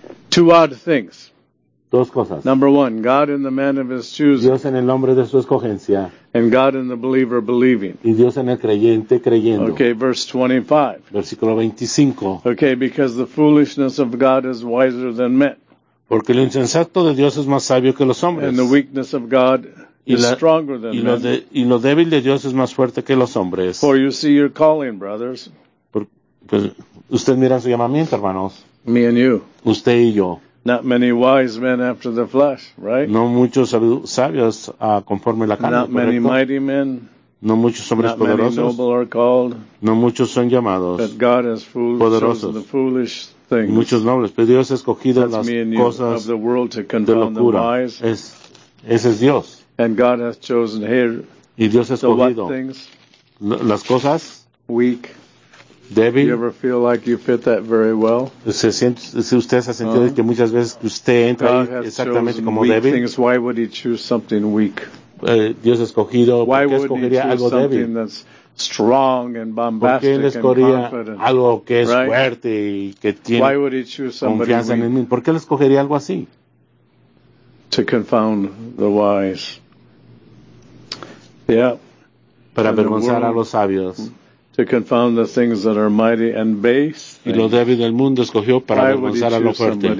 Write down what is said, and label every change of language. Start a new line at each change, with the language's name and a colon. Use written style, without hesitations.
English: Two odd things.
Spanish: Dos cosas.
English: Number one, God in the man of his choosing.
Spanish: Dios en el hombre de su escogencia.
English: And God in the believer believing.
Spanish: Y Dios en el creyente creyendo.
English: Okay, verse 25.
Spanish: Versículo 25.
English: Okay, because the foolishness of God is wiser than men.
Spanish: Porque lo insensato de Dios es más sabio que los hombres.
English: And the weakness of God is stronger than men.
Spanish: Y lo débil de Dios es más fuerte que los hombres.
English: For you see your calling, brothers.
Spanish: Porque usted mira su llamamiento, hermanos.
English: Me and you.
Spanish: Usted y yo.
English: Not many wise men after the flesh, right?
Spanish: No muchos sabios conforme la carne.
English: Not many mighty men.
Spanish: No muchos hombres poderosos.
English: Not many noble are called.
Spanish: No muchos son llamados.
English: But God has chosen the foolish things.
Spanish: Muchos nobles, pero Dios ha escogido las cosas
English: of the world to confound the wise.
Spanish: Ese es Dios.
English: And God has chosen here.
Spanish: Y Dios ha escogido
English: what things?
Spanish: Las cosas.
English: Weak.
Spanish: Débil.
English: You ever feel like you fit that very well?
Spanish: Si usted se ha sentido que muchas veces usted entra exactamente como débil.
English: Things. Why would he choose something weak?
Spanish: Dios ha escogido.
English: Why
Spanish: ¿por qué escogería algo débil?
English: That's strong and bombastic and confident?
Spanish: Algo que es
English: right?
Spanish: fuerte y que tiene
English: why would he choose somebody
Spanish: confianza
English: weak?
Spanish: En mí. ¿Por qué le escogería algo así?
English: To confound the wise. Yeah.
Spanish: Para avergonzar a los sabios.
English: To confound the things that are mighty and base.
Spanish: Y lo débil del mundo escogió para avergonzar a lo fuerte.